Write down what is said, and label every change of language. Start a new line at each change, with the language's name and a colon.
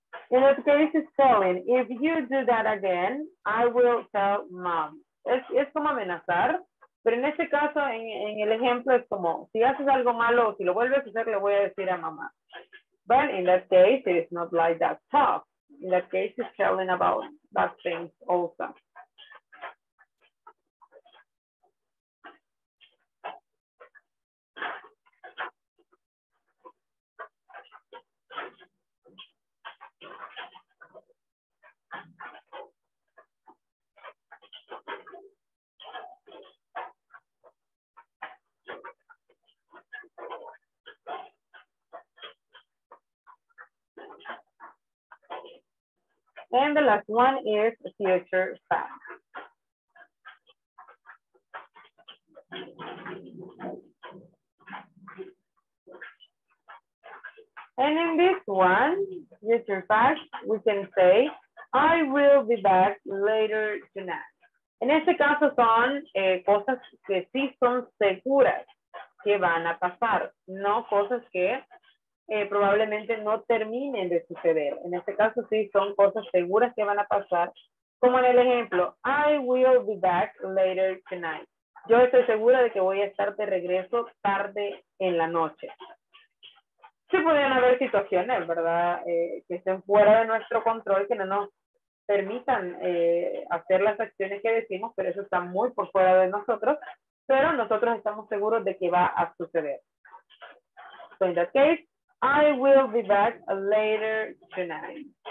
English: In this case, it's telling, if you do that again, I will tell mom.
Spanish: Es como amenazar, pero en este caso, en el ejemplo, es como, si haces algo malo, si lo vuelves a hacer, le voy a decir a mamá.
English: But in that case, it's not like that talk. In that case, it's telling about bad things also. And the last one is future fact. And in this one, future fact, we can say, I will be back later tonight.
Spanish: En este caso son cosas que sí son seguras que van a pasar, no cosas que probablemente no terminen de suceder. En este caso, sí, son cosas seguras que van a pasar. Como en el ejemplo,
English: I will be back later tonight.
Spanish: Yo estoy segura de que voy a estar de regreso tarde en la noche. Sí podrían haber situaciones, ¿verdad? Que estén fuera de nuestro control, que no nos permitan hacer las acciones que decimos, pero eso está muy por fuera de nosotros. Pero nosotros estamos seguros de que va a suceder.
English: So in that case, I will be back later tonight.